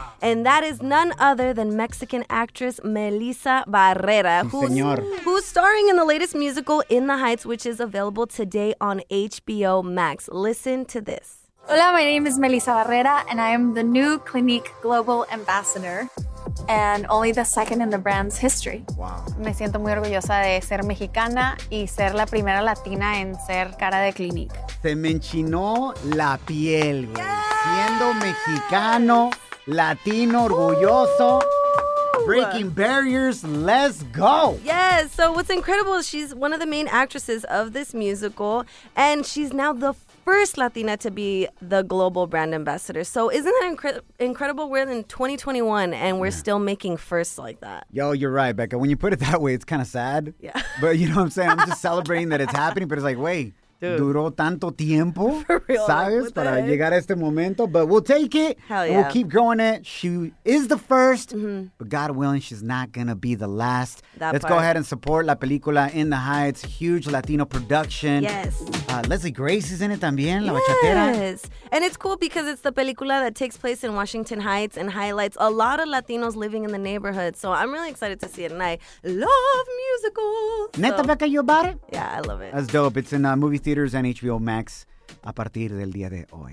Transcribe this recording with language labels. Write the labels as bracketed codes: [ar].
[en] And that is none other than Mexican actress Melissa Barrera, who's starring in the latest musical, In the Heights, which is available today on HBO Max. Listen to this. Hola, my name is Melissa Barrera, and I am the new Clinique Global Ambassador. And only the second in the brand's history. Wow. [es] Me siento muy orgullosa de ser mexicana y ser la primera latina en ser cara de Clinique. Se me enchinó la piel, güey. Yes. Siendo mexicano, latino, orgulloso. [en] Breaking barriers, let's go. Yes, so what's incredible is she's one of the main actresses of this musical, and she's now the first Latina to be the global brand ambassador. So isn't that incredible? We're in 2021 and we're still making firsts like that. Yo, you're right, Becca. When you put it that way, it's kind of sad. Yeah. But you know what I'm saying? I'm just celebrating that it's happening, but it's like, wait, [es] duró tanto tiempo? [en] For real. [es] ¿Sabes? Para llegar a este momento. [en] But we'll take it. Hell yeah. And we'll keep growing it. She is the first, but God willing, she's not going to be the last. Let's go ahead and support La Película In the Heights, huge Latino production. Yes. Leslie Grace is in it también, La Bachatera. Yes. And it's cool because it's the película that takes place in Washington Heights and highlights a lot of Latinos living in the neighborhood. So I'm really excited to see it. And I love musicals. ¿Neta, Becca, you about it? Yeah, I love it. That's dope. It's in movie theaters and HBO Max. [es] A partir del día de hoy.